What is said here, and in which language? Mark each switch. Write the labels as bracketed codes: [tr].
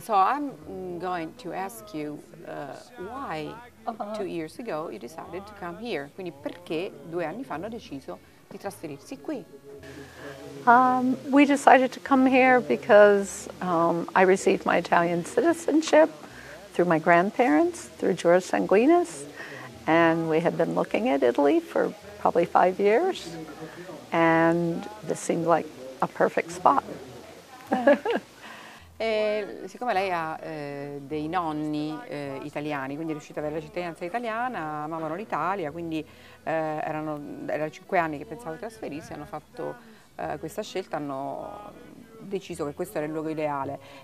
[en] So I'm going to ask you why 2 years ago you decided to come here. [it] Quindi perché 2 anni fa hanno deciso di trasferirsi qui? [en] We decided to come here because I received my Italian citizenship through my grandparents, through jurors sanguinis, and we had been looking at Italy for probably 5 years, and this seemed like a perfect spot. [it] Siccome lei ha dei nonni italiani, quindi è riuscita ad avere la cittadinanza italiana, amavano l'Italia, quindi erano 5 anni che pensavo di trasferirsi, hanno fatto questa scelta, hanno deciso che questo era il luogo ideale.